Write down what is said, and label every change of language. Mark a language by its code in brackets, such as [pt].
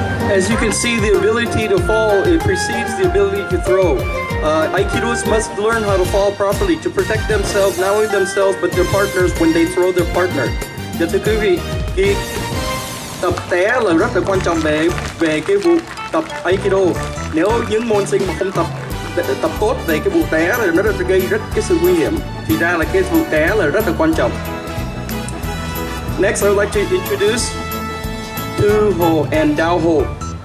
[en] As you can see, the ability to fall, it precedes the ability to throw. Aikidos must learn how to fall properly to protect themselves, not only themselves, but their partners when they throw their partner. [vi] Dạ thưa quý vị, cái tập té là rất là quan trọng về cái vụ tập Aikido. Nếu những môn sinh mà không tập tốt về cái vụ té là nó sẽ gây rất cái sự nguy hiểm. Thì ra là cái vụ té là rất là quan trọng. [en] Next, I would like to introduce Tu Ho and Dao Ho.